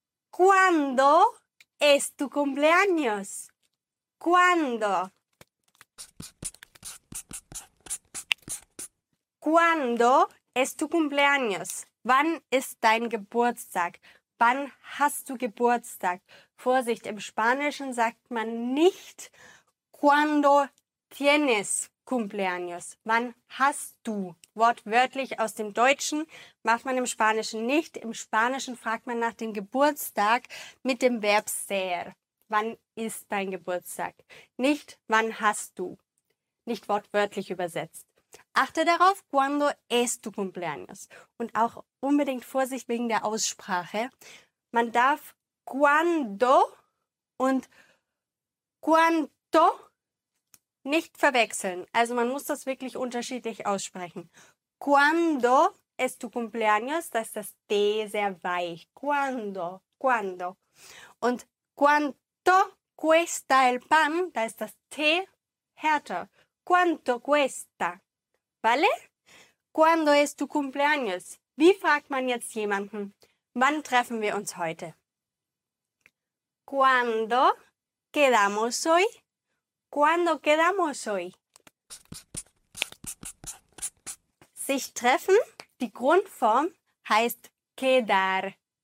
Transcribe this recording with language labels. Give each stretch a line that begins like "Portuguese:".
Spanish: ¿Cuándo es tu cumpleaños? ¿Cuándo? ¿Cuándo es tu cumpleaños?
German: Wann ist dein Geburtstag? Wann hast du Geburtstag? Vorsicht, im Spanischen sagt man nicht
Spanish: ¿Cuándo tienes cumpleaños?
German: Wann hast du? Wortwörtlich aus dem Deutschen macht man im Spanischen nicht. Im Spanischen fragt man nach dem Geburtstag mit dem Verb ser. Wann ist dein Geburtstag? Nicht wann hast du? Nicht wortwörtlich übersetzt. Achte darauf,
Spanish: ¿cuándo es tu cumpleaños?
German: Und auch unbedingt Vorsicht wegen der Aussprache. Man darf ¿cuándo und ¿cuánto nicht verwechseln? Also man muss das wirklich unterschiedlich aussprechen.
Spanish: ¿Cuándo es tu cumpleaños?
German: Da ist das D sehr weich.
Spanish: ¿Cuándo? ¿Cuándo? Und ¿cuánto cuesta el pan?
German: Da ist das T härter.
Spanish: ¿Cuánto cuesta? ¿Vale? ¿Cuándo es tu cumpleaños?
German: Wie fragt man jetzt jemanden? Wann treffen wir uns heute?
Spanish: ¿Cuándo quedamos hoy? ¿Cuándo quedamos hoy?
German: Sich treffen, die Grundform, heißt quedar.